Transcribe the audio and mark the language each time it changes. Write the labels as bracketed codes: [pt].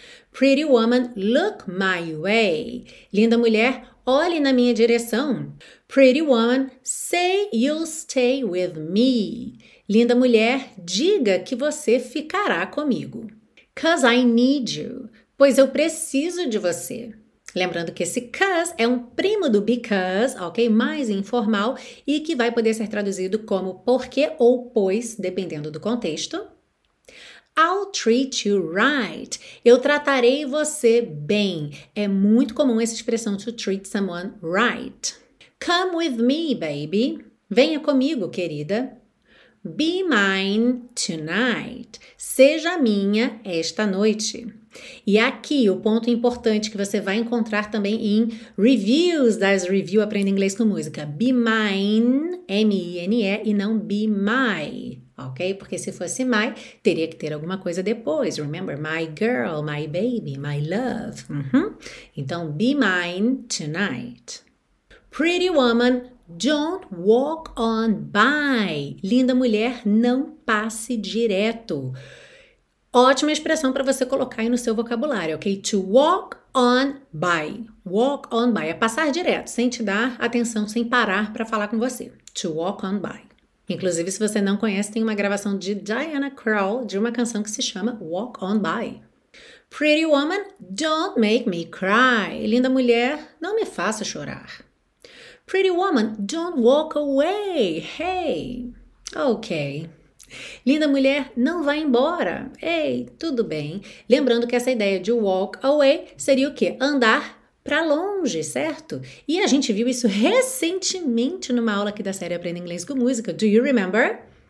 [en] Pretty woman, look my way. [pt] Linda mulher, olhe na minha direção. [en] Pretty woman, say you'll stay with me. [pt] Linda mulher, diga que você ficará comigo. [en] 'Cause I need you. [pt] Pois eu preciso de você. Lembrando que esse 'cause é um primo do because, ok? Mais informal e que vai poder ser traduzido como porque ou pois, dependendo do contexto. [en] I'll treat you right. [pt] Eu tratarei você bem. É muito comum essa expressão [en] to treat someone right. Come with me, baby. [pt] Venha comigo, querida. [en] Be mine tonight. [pt] Seja minha esta noite. E aqui o ponto importante que você vai encontrar também em reviews das Review Aprenda Inglês com Música. [en] Be mine, M-I-N-E, [pt] e não [en] be my. Ok? [pt] Porque se fosse my, teria que ter alguma coisa depois. [en] Remember, my girl, my baby, my love. [pt] Então, [en] be mine tonight. Pretty woman, don't walk on by. [pt] Linda mulher, não passe direto. Ótima expressão para você colocar aí no seu vocabulário, ok? To walk on by. Walk on by. É passar direto, sem te dar atenção, sem parar para falar com você. To walk on by. Inclusive, se você não conhece, tem uma gravação de Diana Krall de uma canção que se chama Walk On By. [en] Pretty woman, don't make me cry. [pt] Linda mulher, não me faça chorar. [en] Pretty woman, don't walk away. Hey, ok. [pt] Linda mulher, não vá embora. Ei, hey, tudo bem. Lembrando que essa ideia de walk away seria o quê? Andar para longe, certo? E a gente viu isso recentemente numa aula aqui da série Aprenda Inglês com Música. [en] Do you remember?